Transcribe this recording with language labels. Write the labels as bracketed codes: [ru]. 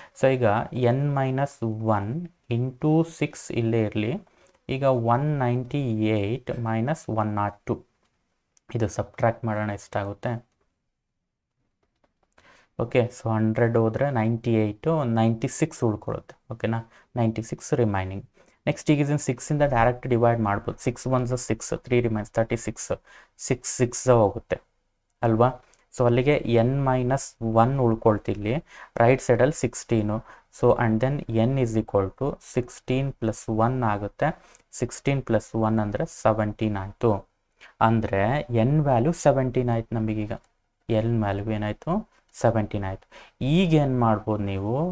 [kn] So ಈಗ N minus 1 into 6 ಇಲ್ಲೇ ಇರಲಿ, ಈಗ 198 ಮೈನಸ್ 102, ಇದು ಸಬ್ಟ್ರಾಕ್ಟ್ ಮಾಡೋಣ ಎಷ್ಟಾಗುತ್ತೆ, ಓಕೆ? ಸೊ 100 ಹೋದರೆ 98, 96 ಉಳ್ಕೊಳುತ್ತೆ, ಓಕೆನಾ? 96 ರಿಮೈನಿಂಗ್. ನೆಕ್ಸ್ಟ್ ಈಗ ಇದನ್ನು 6ಇಂದ ಡೈರೆಕ್ಟ್ ಡಿವೈಡ್ ಮಾಡ್ಬೋದು. [en] 6 1s 6, 3 remains 36, 6 6s [kn] ಹೋಗುತ್ತೆ ಅಲ್ವಾ? ಸೊ ಅಲ್ಲಿಗೆ ಎನ್ ಮೈನಸ್ 1 ಉಳ್ಕೊಳ್ತಿಲ್ಲಿ, ರೈಟ್ ಸೈಡಲ್ಲಿ 16. [en] So and then n is equal to 16 + 1 ಆಗುತ್ತೆ. [kn] 16 + 1 ಅಂದರೆ 17 ಆಯಿತು, ಅಂದರೆ ಎನ್ ವ್ಯಾಲ್ಯೂ 17 ಆಯಿತು ನಮಗೀಗ. ಎನ್ ವ್ಯಾಲ್ಯೂ ಏನಾಯಿತು? 17 ಆಯಿತು. ಈಗೇನು ಮಾಡ್ಬೋದು ನೀವು?